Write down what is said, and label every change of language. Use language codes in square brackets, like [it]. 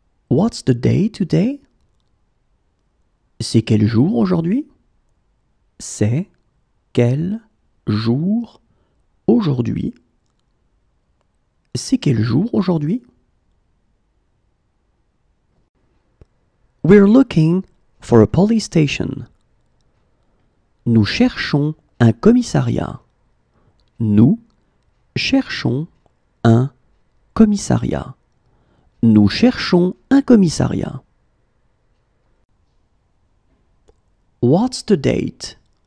[en] What's the day today? [fr] C'est quel jour aujourd'hui? C'est quel jour aujourd'hui? C'est quel jour aujourd'hui? [en] We're looking for a police station. [fr] Nous cherchons un commissariat. Nous cherchons un commissariat. Nous cherchons un commissariat. [en] What's the date?